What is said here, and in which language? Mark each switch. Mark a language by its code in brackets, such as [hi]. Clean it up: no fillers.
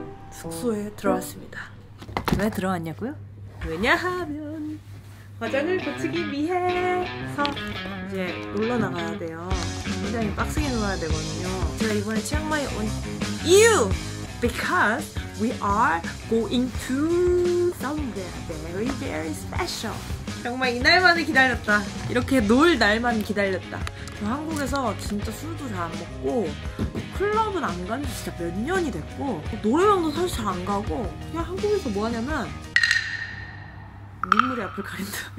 [ko] 숙소에 들어왔습니다. 왜 들어왔냐고요? 왜냐하면 화장을 고치기 위해서 이제 놀러 나가야 돼요. 굉장히 빡세게 놀아야 되거든요. 제가 이번에 치앙마이 온 이유! [en] Because we are going to somewhere very very special. [ko] 정말 이날만을 기다렸다. 이렇게 놀 날만 기다렸다. 저 한국에서 진짜 술도 잘 안 먹고 클럽은 안 간 지 진짜 몇 년이 됐고 노래방도 사실 잘 안 가고 그냥 한국에서 뭐 하냐면 눈물이 앞을 가린다.